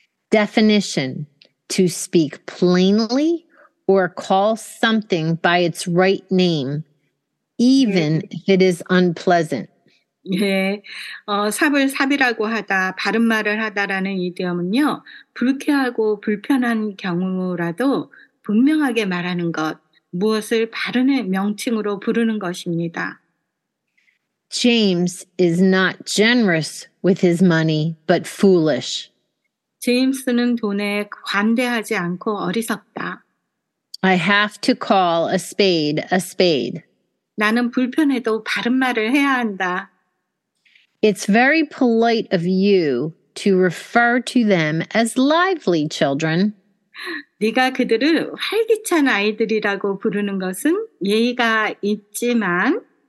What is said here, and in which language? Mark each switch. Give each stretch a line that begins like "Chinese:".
English: Definition, to speak plainly or call something by its right name, even if it is unpleasant.
Korean: 예, 삽을 삽이라고 하다, 바른 말을 하다라는 이디엄은요, 불쾌하고 불편한 경우라도 분명하게 말하는 것, 무엇을 바른 명칭으로 부르는 것입니다.
English: James is not generous with his money, but foolish.
Korean: 제임스는 돈에 관대하지 않고 어리석다.
English: I have to call a spade a spade.
Korean: 나는 불편해도 바른 말을 해야 한다.
English: It's very polite of you to refer to them as lively children.
Korean: 네가 그들을 활기찬 아이들이라고 부르는 것은 예의가 있지만